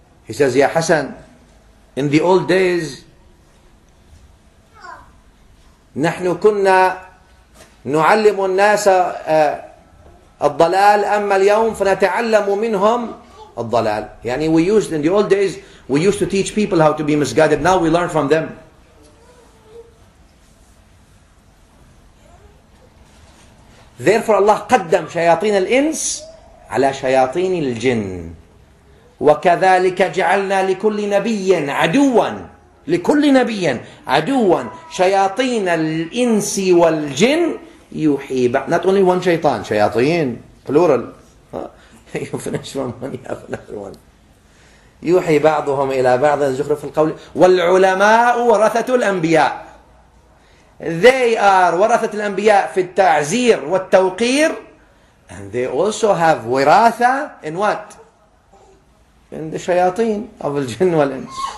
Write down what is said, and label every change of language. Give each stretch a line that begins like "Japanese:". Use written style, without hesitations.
English: He says,
Arabic: يا حسن,
English: in the old days,
Arabic: نحن كنا نعلم الناس الضلال أما اليوم فنتعلم منهم الضلال. يعني
English: we used in the old days we used to teach people how to be misguided. Now we learn from them. Therefore Allah
Arabic: قدم شياطين الإنس على شياطين الجن. وكذلك جعلنا لكل نبي عدوا. لكل نبي عدوا شياطين الإنس والجن يوحي بعض.
English: Not only one شيطان, شياطين plural. You finish from one, you have another one.
Arabic: يوحي بعضهم إلى بعض زخرف القول. والعلماء ورثة الأنبياء.
English: They are
Arabic: ورثة الأنبياء في التعزير والتوقير.
English: And they also have وراثة in what? In the شياطين of الجن والإنس.